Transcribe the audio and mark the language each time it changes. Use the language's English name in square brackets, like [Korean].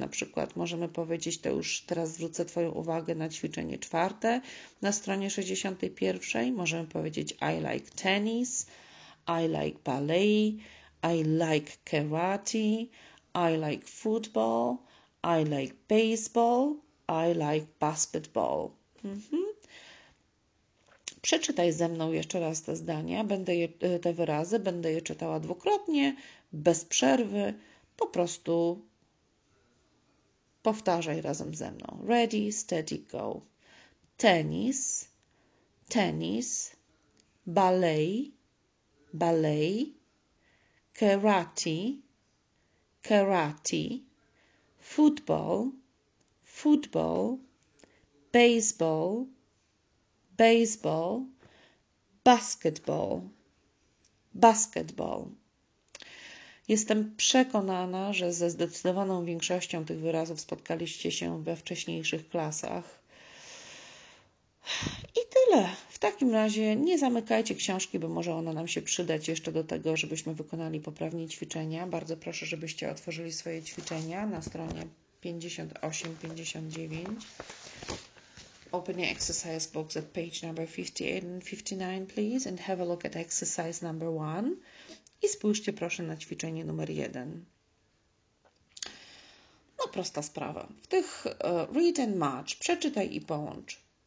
[Polish] Na przykład możemy powiedzieć, to już teraz zwrócę Twoją uwagę na ćwiczenie czwarte na stronie 61. Możemy powiedzieć [English] I like tennis, I like ballet, I like karate, I like football, I like baseball, I like basketball. [Polish] Przeczytaj ze mną jeszcze raz te zdania, będę je, te wyrazy, będę je czytała dwukrotnie, bez przerwy, po prostu powtarzaj razem ze mną. [English] Ready, steady, go. Tennis, tennis, ballet, ballet, karate, karate, football, football, baseball, baseball, basketball, basketball. [Polish] Jestem przekonana, że ze zdecydowaną większością tych wyrazów spotkaliście się we wcześniejszych klasach. I tyle. W takim razie nie zamykajcie książki, bo może ona nam się przydać jeszcze do tego, żebyśmy wykonali poprawnie ćwiczenia. Bardzo proszę, żebyście otworzyli swoje ćwiczenia na stronie 58-59. [English] Open your exercise books at page number 58 and 59, please, and have a look at exercise number 1. [Polish] I spójrzcie proszę na ćwiczenie numer 1. No, prosta sprawa. W tych [English] read and match, [Polish] przeczytaj i połącz.